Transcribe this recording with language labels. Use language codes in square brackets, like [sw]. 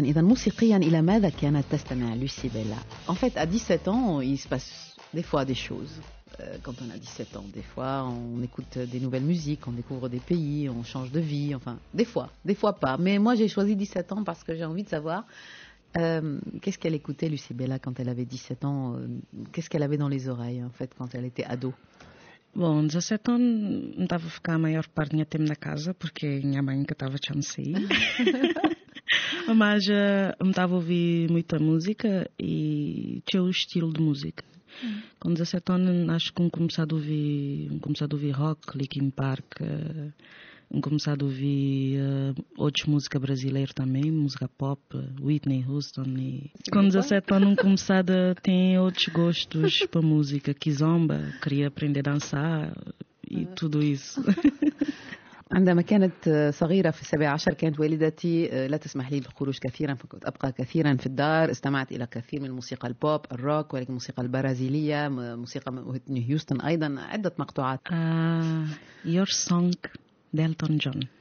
[ar] إذا موسيقيا إلى ماذا كانت تستمع لوسي بيلا؟ [fr] En fait, à 17 ans, il se passe des fois des choses. Quand on a 17 ans, des fois, on écoute des nouvelles musiques, on découvre des pays, on change de vie. Enfin, des fois pas. Mais moi, j'ai choisi 17 ans parce que j'ai envie de savoir qu'est-ce qu'elle écoutait Lucy Bella quand elle avait 17 ans. Qu'est-ce qu'elle avait dans les oreilles, en fait, quand elle était ado? [pt] Bom, 17 anos, não estava a ficar a maior parte do meu tempo na casa, porque minha mãe que estava a me sair. Mas eu estava a ouvir muita música e tinha o estilo de música. Com 17 anos, acho que comecei a ouvir rock, Linkin Park, comecei a ouvir outras músicas brasileiras também, música pop, Whitney Houston. E... com 17 anos, comecei a ter outros gostos para música, kizomba, queria aprender a dançar e tudo isso. [ar] عندما كانت صغيرة في 17 كانت والدتي لا تسمح لي بالخروج كثيرا، فكنت أبقى كثيرا في الدار. استمعت إلى كثير من الموسيقى البوب الروك، ولكن الموسيقى البرازيلية، موسيقى ويتني هيوستن أيضا، عدة مقطوعات. Your Song دالتون جون.